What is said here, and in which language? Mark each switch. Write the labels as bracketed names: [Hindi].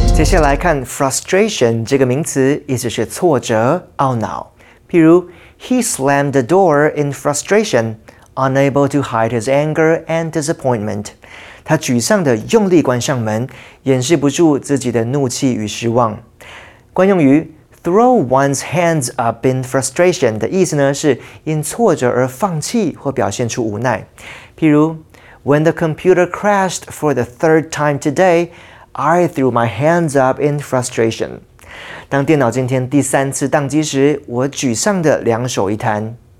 [Chinese] Frustration 这个名词意思是挫折、懊恼。 [English] 譬如 ,He slammed the door in frustration, unable to hide his anger and disappointment. [Chinese] 他沮丧地用力关上门，掩饰不住自己的怒气与失望。惯用于 throw one's hands up in frustration 的意思呢，是因挫折而放弃或表现出无奈。 [English] 譬如 ,When the computer crashed for the third time today,I threw my hands up in frustration. [Chinese] 当电脑今天第三次宕机时，我沮丧地两手一摊。